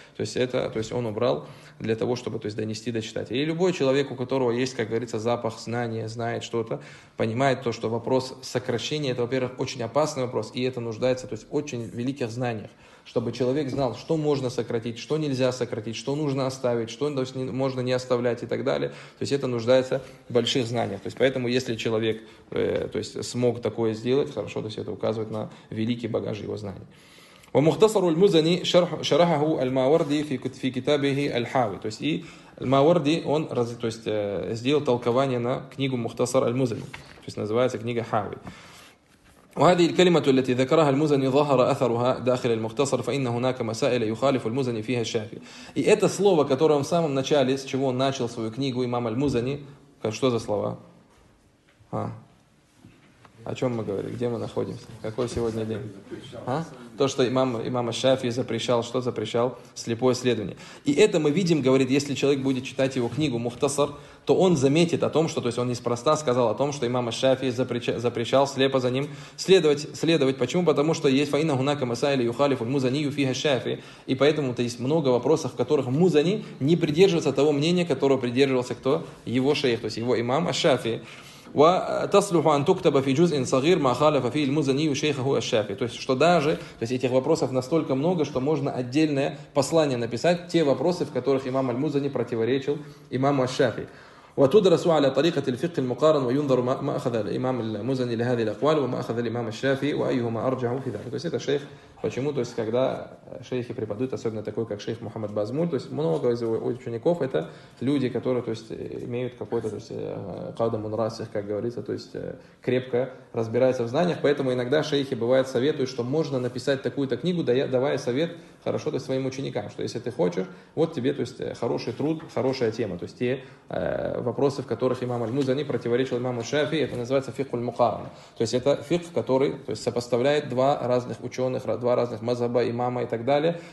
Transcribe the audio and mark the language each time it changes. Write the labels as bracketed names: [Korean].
[Russian] То есть, это, то есть, он убрал для того, чтобы, то есть, донести до читателя. И любой человек, у которого есть, как говорится, запах знания, знает что-то, понимает то, что вопрос сокращения, это, во-первых, очень опасный вопрос, и это нуждается, то есть, в очень великих знаниях, чтобы человек знал, что можно сократить, что нельзя сократить, что нужно оставить, что, то есть, не, можно не оставлять и так далее. То есть, это нуждается в больших знаниях. То есть, поэтому, если человек, то есть, смог такое сделать, хорошо, то есть, это указывает на великий багаж его знаний. [Arabic] ومختصر المزني شرحه الماوردي في كتابه الحاوي. [Russian] То есть, и الماوردي, он, то есть, сделал толкование на книгу مختصر المزني. То есть, называется книга حاوي. [Arabic] وهذه الكلمة التي ذكرها المزني ظهر أثرها داخل المختصر فإن هناك مسائل يخالف المزني فيها الشافعي. [Russian] И это слово, которое он в самом начале, с чего он начал свою книгу имам المزني, что за слова? О чем мы говорим? Где мы находимся? Какой сегодня день? То, что имам Шафии запрещал, что запрещал? Слепое следование. И это мы видим, говорит, если человек будет читать его книгу «Мухтасар», то он заметит о том, что, то есть он неспроста сказал о том, что имам Шафии запрещал слепо за ним следовать. Почему? Потому что есть «Фаинна хунака масаили юхалифу музанию фиха Шафии». И поэтому то есть много вопросов, в которых музани не придерживается того мнения, которого придерживался кто? Его шейх, то есть его имам Шафии. [Arabic] وتصلح أن تكتب في جزء صغير ما خالف فيه المزني وشيخه الشافعي. [Russian] То есть что даже, то есть этих вопросов настолько много, что можно отдельное послание написать те вопросы, в которых имам аль-Музани противоречил имаму аш-Шафии. [Arabic] وتدرس على طريقة الفقه المقارن وينظر ما أخذ الإمام المزني لهذه الأقوال وما أخذ الإمام الشافعي وأيهما أرجح في ذلك. [Russian] То есть это шейх Почему? То есть, когда шейхи преподают, особенно такой, как шейх Мухаммад Базмуль, то есть, много из его учеников, это люди, которые, то есть, имеют какой-то, то есть, кауда мунрасих, как говорится, то есть, крепко разбираются в знаниях, поэтому иногда шейхи, бывает, советуют, что можно написать такую-то книгу, давая совет, хорошо, то есть, своим ученикам, что если ты хочешь, вот тебе, то есть, хороший труд, хорошая тема, то есть, те вопросы, в которых имам Аль-Музани противоречил имаму Шафии, это называется фикхуль мукарана, то есть, это фикх, который, то есть, сопоставляет два разных ученых, два разных мазаба, имама и так далее.